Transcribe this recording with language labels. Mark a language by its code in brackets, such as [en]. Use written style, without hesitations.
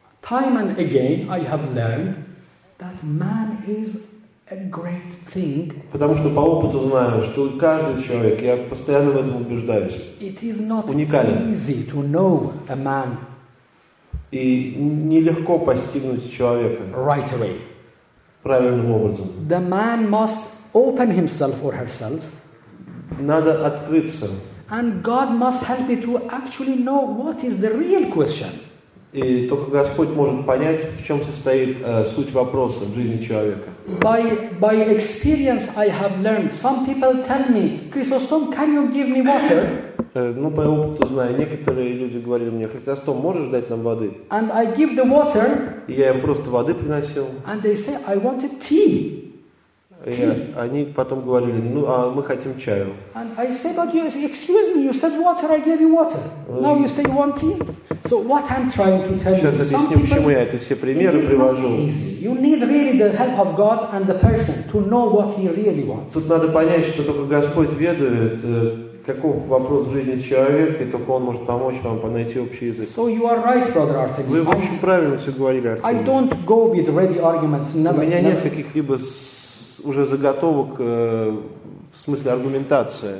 [en] Time and again I have learned that man is a great thing. [ru] Потому что по опыту знаю, что каждый человек, я постоянно в этом убеждаюсь. [en] It is not [ru] уникален. [en] Easy to know a man. [ru] И нелегко постигнуть человека. [en] Right away. [ru] Правильным образом. [en] The man must open himself or herself. [ru] Надо открыться. [en] And God must help me to actually know what is the real question. [ru] И только Господь может понять, в чем состоит суть вопроса в жизни человека. [en] By experience I have learned. Some people tell me, Chrysostom, can you give me water? [ru] Ну, по опыту знаю, некоторые люди говорили мне, Христостом, можешь дать нам воды? [en] And I give the water. [ru] И я им просто воды приносил. [en] And they say, I want a tea. [ru] Они потом говорили, ну, а мы хотим чаю. [en] And I say, but you, excuse me, you said water, I gave you water. Now you say you want tea? So what I'm trying to tell you. [ru] Сейчас объясню, почему я эти все примеры привожу. [en] You need really the help of God and the person to know what he really wants. [ru] Тут надо понять, что только Господь ведает, каков вопрос в жизни человека, и только Он может помочь вам понайти общий язык. [en] So you are right, brother Artemy. [ru] Вы очень правильно все говорили, Артемий. [en] I don't go with ready arguments. Never, [ru] у меня нет каких-либо уже заготовок в смысле аргументации.